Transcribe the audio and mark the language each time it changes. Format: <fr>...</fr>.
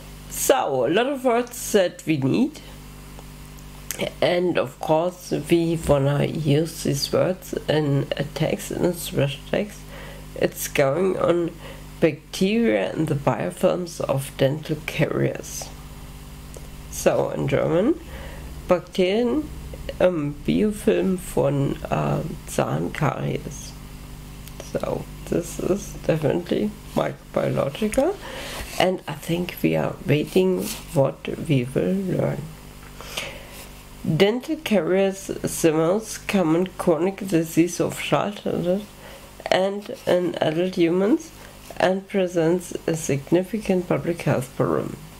<en>So, a lot of words that we need. And of course, we wanna use these words in a text, in a stress text. It's going on bacteria in the biofilms of dental caries. So, in German,</en> <de>Bakterien im Biofilm von Zahnkaries.</de> <en>So, this is definitely microbiological. And I think we are waiting what we will learn. Dental caries is the most common chronic disease of childhood and in adult humans and presents a significant public health problem.</en>